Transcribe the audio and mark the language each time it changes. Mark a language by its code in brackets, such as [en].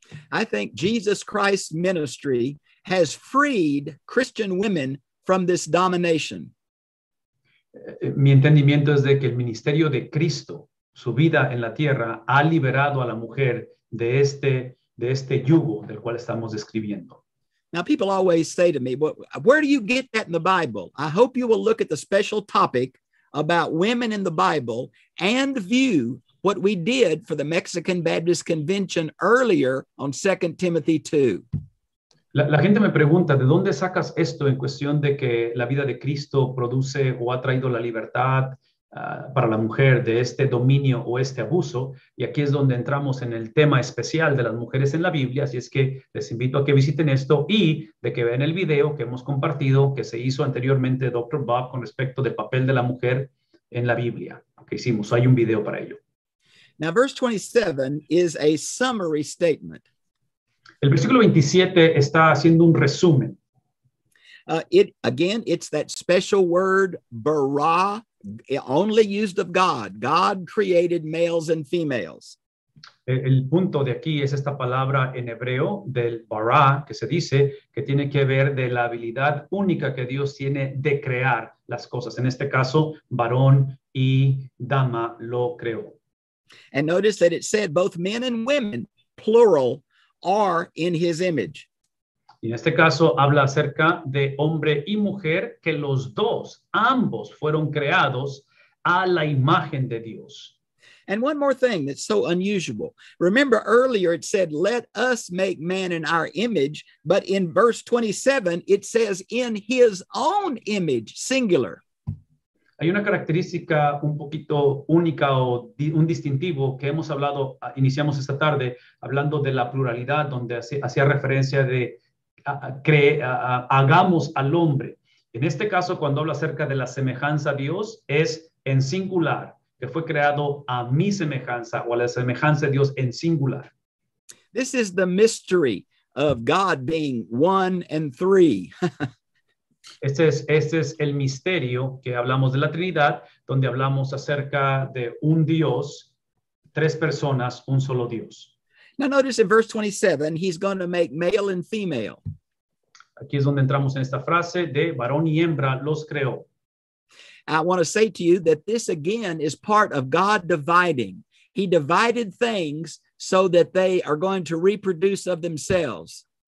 [en] I think Jesus Christ's ministry has freed Christian women from this domination. [es] Mi entendimiento es de que el ministerio de Cristo, su vida en la tierra, ha liberado a la mujer de este yugo del cual estamos describiendo. [en] Now, people always say to me, where do you get that in the Bible? I hope you will look at the special topic about women in the Bible and view what we did for the Mexican Baptist Convention earlier on 2 Timothy 2. [es] La gente me pregunta, ¿de dónde sacas esto en cuestión de que la vida de Cristo produce o ha traído la libertad para la mujer de este dominio o este abuso? Y aquí es donde entramos en el tema especial de las mujeres en la Biblia, así es que les invito a que visiten esto y de que vean el video que hemos compartido que se hizo anteriormente Dr. Bob con respecto del papel de la mujer en la Biblia que hicimos. Hay un video para ello. [en] Now verse 27 is a summary statement. [es] El versículo 27 está haciendo un resumen. [en] It's that special word, bara, only used of God. God created males and females. [es] El punto de aquí es esta palabra en hebreo del bara, que se dice que tiene que ver de la habilidad única que Dios tiene de crear las cosas. En este caso, varón y dama lo creó. [en] And notice that it said both men and women, plural, are in his image. [es] Y en este caso habla acerca de hombre y mujer, que los dos, ambos fueron creados a la imagen de Dios. [en] And one more thing that's so unusual. Remember earlier it said, let us make man in our image, but in verse 27 it says, in his own image, singular. [es] Hay una característica un poquito única o un distintivo que hemos hablado, iniciamos esta tarde, hablando de la pluralidad, donde hacía referencia de hagamos al hombre. En este caso, cuando habla acerca de la semejanza a Dios, es en singular, que fue creado a mi semejanza o a la semejanza de Dios en singular. [en] This is the mystery of God being one and three. [es] Este es el misterio que hablamos de la Trinidad, donde hablamos acerca de un Dios, tres personas, un solo Dios. [en] Now notice in verse 27, he's going to make male and female. [es] Aquí es donde entramos en esta frase de varón y hembra los creó. [en] I want to say to you that this again is part of God dividing. He divided things so that they are going to reproduce of themselves.